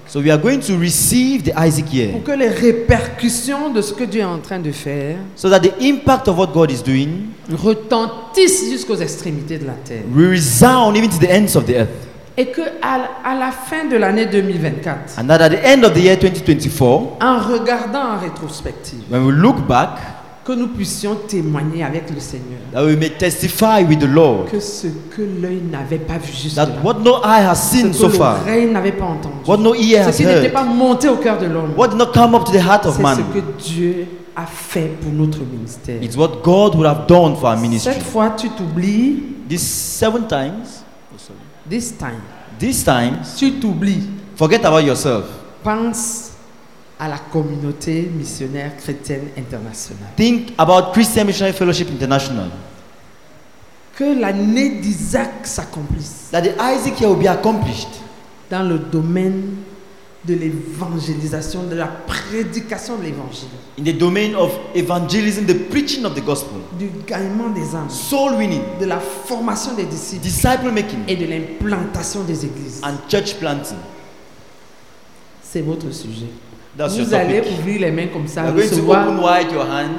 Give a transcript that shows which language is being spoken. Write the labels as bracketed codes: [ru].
[en] So we are going to receive the Isaac year. [fr] Pour que les répercussions de ce que Dieu est en train de faire, [en] so that the impact of what God is doing, [fr] retentissent jusqu'aux extrémités de la terre. [en] We resound even to the ends of the earth. [fr] Et que à la fin de l'année 2024, [en] and that at the end of the year 2024, [fr] en regardant en rétrospective, [en] when we look back, [fr] que nous puissions témoigner avec le Seigneur, [en] that we may testify with the Lord, [fr] que ce que l'œil n'avait pas vu jusque-là, [en] that what no eye has seen so far, [fr] ce que l'oreille n'avait pas entendu, [en] what no ear has heard, [fr] ce qui n'était pas monté au cœur de l'homme, [en] what did not come up to the heart of man, [fr] c'est ce que Dieu a fait pour notre ministère. [en] It's what God would have done for our ministry. [fr] Cette fois, tu t'oublies. [en] This seven times. This time, [fr] tu t'oublies. [en] Forget about yourself. [fr] Pense à la communauté missionnaire chrétienne internationale. [en] Think about Christian Missionary Fellowship International. [fr] Que l'année d'Isaac s'accomplisse. [en] That the Isaac year will be accomplished. [fr] Dans le domaine de l'évangélisation, de la prédication de l'évangile. [en] In the domain of evangelism, the preaching of the gospel. [fr] Du gagnement des âmes. [en] Soul winning. [fr] De la formation des disciples. [en] Disciple making. [fr] Et de l'implantation des églises. [en] And church planting. [fr] C'est votre sujet. [en] That's [fr] vous allez topic. Ouvrir les mains comme ça, recevoir, [en] open wide your hands